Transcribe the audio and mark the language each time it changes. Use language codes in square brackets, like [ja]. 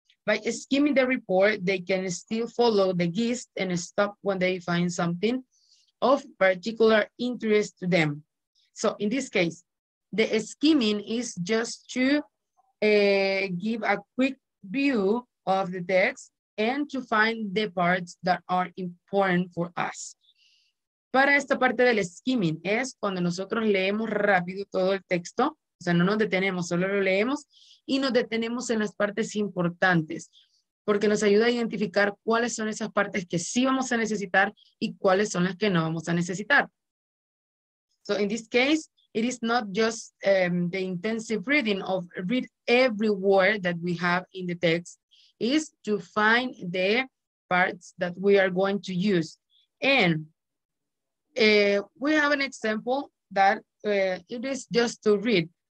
[en] By skimming the report, they can still follow the gist and stop when they find something of particular interest to them. So in this case, the skimming is just to give a quick view of the text and to find the parts that are important for us. [es] Para esta parte del skimming es cuando nosotros leemos rápido todo el texto, o sea, no nos detenemos, solo lo leemos y nos detenemos en las partes importantes, porque nos ayuda a identificar cuáles son esas partes que sí vamos a necesitar y cuáles son las que no vamos a necesitar. [en] So in this case, it is not just the intensive reading of read every word that we have in the text, is to find the parts that we are going to use. And we have an example that it is just to read.